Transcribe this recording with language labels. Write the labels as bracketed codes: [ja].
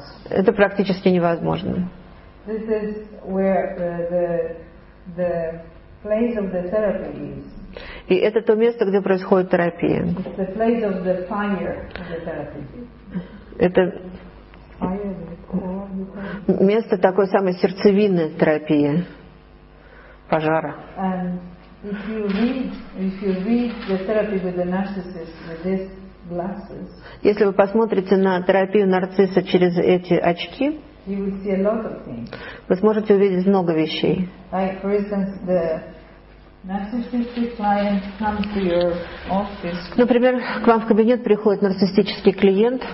[ru] Это практически невозможно. [en] This is where the place of the therapy is. [ru] И это то место, где происходит терапия. [en] It's the place of the fire of the therapy. [ru] Это место такой самой сердцевинной терапии, пожара. [en] And if you read the therapy with the narcissist with this glasses. [ru] Если вы посмотрите на терапию нарцисса через эти очки, [en] you will see a lot of things. [ru] Вы сможете увидеть много вещей. [en] Like for instance, the narcissistic client comes to your office. [ru] Например, к вам в кабинет приходит нарциссический клиент.